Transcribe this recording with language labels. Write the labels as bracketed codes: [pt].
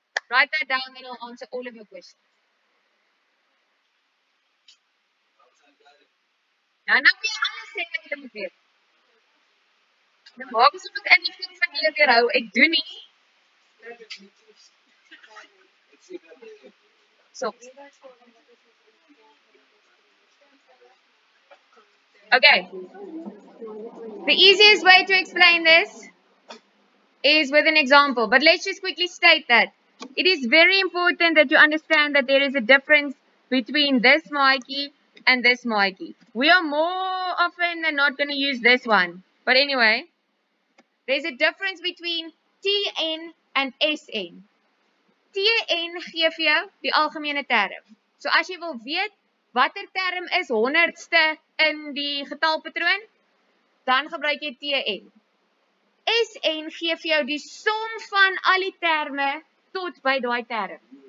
[en] Write that down and it'll answer all of your questions. [af] Nou nou moet jy alles sê wat jy moet weet. Maak asof ek inligting van julle weerhou. Ek doen nie. [en] So, okay, the easiest way to explain this is with an example, but let's just quickly state that it is very important that you understand that there is a difference between this Mikey and this Mikey. We are more often than not going to use this one, but anyway, there's a difference between TN and SN. [af] TN gee vir jou die algemene term. So as jy wil weet watter term is 100ste in die getalpatroon, dan gebruik jy TN. SN gee vir jou die som van al die terme tot by daai term.